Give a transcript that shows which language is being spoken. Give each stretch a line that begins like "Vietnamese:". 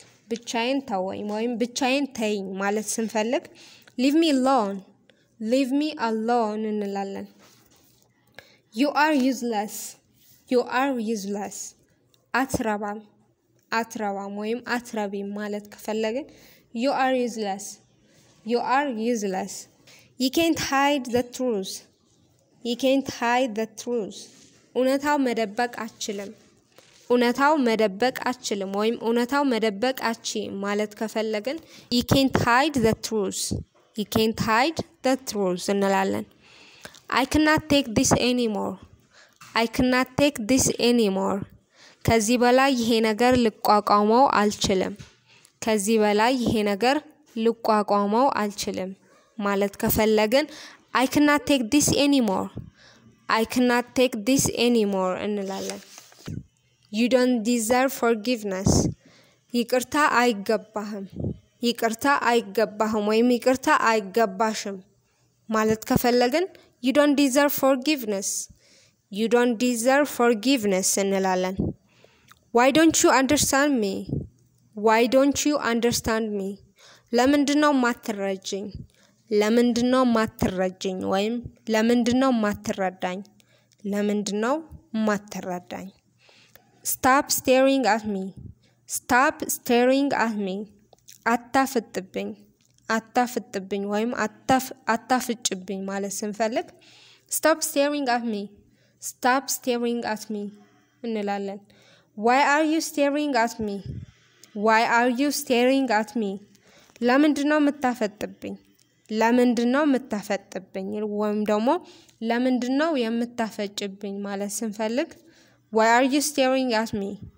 Amharic: ብቻዬን ተወኝ ወይም ብቻዬን ተይኝ ማለት ስንፈልግ
English: Leave me alone. Leave me alone
Amharic: እንላለን.
English: You are useless. You are useless.
Amharic: አትረባም. አትረባም ወይም አትረቢም ማለት ከፈለግን
English: You are useless. You are useless. You can't hide the truth. You can't hide the truth.
Amharic: እውነታው መደበቅ አትችልም. እውነታው መደበቅ አትችልም ወይም እውነታው መደበቅ አትችልም ማለት ከፈለግን
English: You can't hide the truth. You can't hide the truth
Amharic: እንላለን.
English: I cannot take this anymore. I cannot take this anymore.
Amharic: ከዚ በላይ ይሄ ነገር ልቋቋመው አልችልም. ከዚ በላይ ይሄ ነገር ልቋቋመው አልችልም. ማለት ከፈለግን
English: I cannot take this anymore. I cannot take this anymore
Amharic: እንላለን.
English: You don't deserve forgiveness.
Amharic: ይቅርታ አይገባህም. ይቅርታ አይገባህም ወይም ይቅርታ አይገባሽም. ማለት ከፈለግን
English: You don't deserve forgiveness. You don't deserve forgiveness
Amharic: እንላለን.
English: Why don't you understand me? Why don't you understand me?
Amharic: ለምንድነው ማትረጅኝ? ለምንድነው ማትረጅኝ ወይም ለምንድነው ማትረዳኝ? ለምንድነው ማትረዳኝ?
English: Stop staring at me. Stop staring at me.
Amharic: አታፍጥብኝ. አታፍጥብኝ ወይም አታፍጭብኝ ማለት ስንፈልግ
English: Stop staring at me. Stop staring at me.
Amharic: እንላለን.
English: Why are you staring at me? Why are you staring at me?
Amharic: ለምንድነው የምታፈጥብኝ? ለምንድነው የምታፈጥብኝ? ወይም ደግሞ ለምንድነው የምታፈጭብኝ ማለት ስንፈልግ
English: Why are you staring at me?